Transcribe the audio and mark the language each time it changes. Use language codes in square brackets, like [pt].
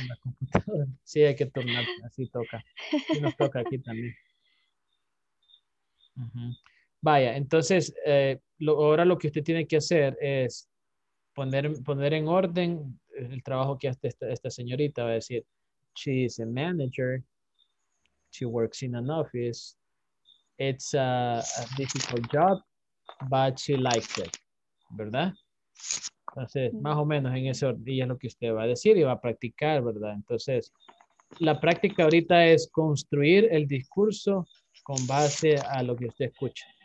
[es] La computadora. Sí, hay que turnar, así toca. Y nos toca aquí también. Vaya, entonces ahora lo que usted tiene que hacer es poner en orden el trabajo que hace esta señorita, va a decir. [en] She is a manager. She works in an office. It's a difficult job, but she likes it. [es] ¿Verdad? Entonces, más o menos en ese orden es lo que usted va a decir y va a practicar, ¿verdad? Entonces, la práctica ahorita es construir el discurso con base a lo que usted escucha.